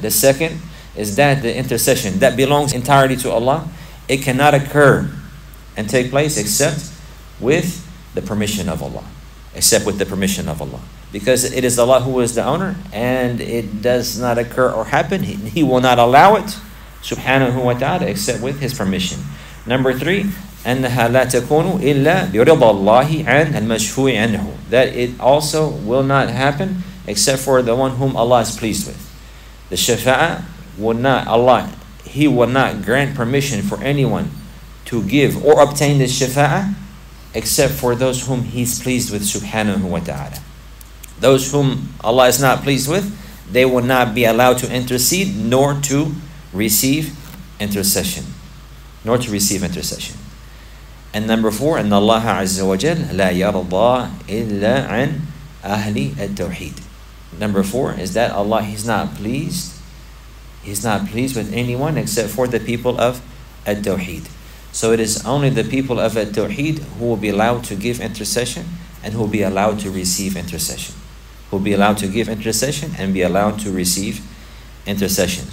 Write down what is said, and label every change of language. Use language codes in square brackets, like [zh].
[en] The second is that the intercession that belongs entirely to Allah, it cannot occur and take place except with the permission of Allah. Except with the permission of Allah. Because it is Allah who is the owner, and it does not occur or happen. He will not allow it, subhanahu wa ta'ala, except with his permission. Number three, [ar] أَنَّهَا لَا تَكُونُ إِلَّا بِرِضَى اللَّهِ عَنْ الْمَشْفُوِ عَنْهُ. [en] That it also will not happen except for the one whom Allah is pleased with. The shafa'a will not, Allah, He will not grant permission for anyone to give or obtain the shafa'a except for those whom He's pleased with, subhanahu wa ta'ala. Those whom Allah is not pleased with, they will not be allowed to intercede nor to receive intercession. Nor to receive intercession. And number four, [ar] أن الله عز وجل لا يرضى إلا عن أهل التوحيد. [en] Number four is that Allah, He's not pleased with anyone except for the people of التوحيد. So it is only the people of التوحيد who will be allowed to give intercession and who will be allowed to receive intercession. Who will be allowed to give intercession and be allowed to receive intercession.